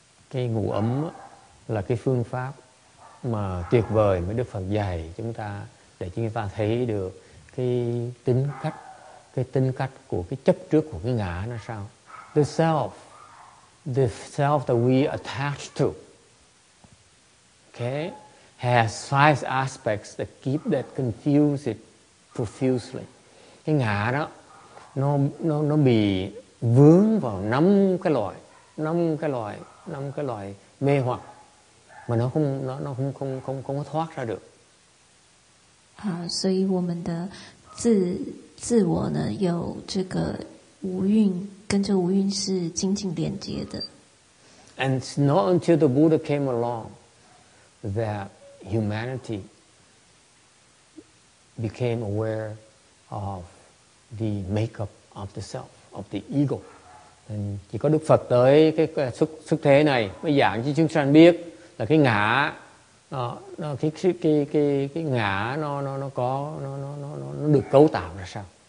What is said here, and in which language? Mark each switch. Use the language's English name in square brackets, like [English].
[Vietnamese] Cái ngũ ấm là cái phương pháp mà tuyệt vời mà Đức Phật dạy chúng ta để chúng ta thấy được cái tính cách của cái chấp trước của cái ngã nó sao. [English] The self that we attach to, okay, has five aspects that keep that confuse it profusely. [Vietnamese] Cái ngã đó nó bị vướng vào năm cái loại mê hoặc mà nó không có thoát ra được. [Chinese] 所以我们的自我呢, 有这个无蕴, 跟着无蕴是紧紧连接的。 [English] And it's not until the Buddha came along that humanity became aware of the makeup of the self, of the ego. [Vietnamese] Chỉ có Đức Phật tới cái xuất thế này mới giảng cho chúng sanh biết là cái ngã nó cái ngã nó được cấu tạo ra sao.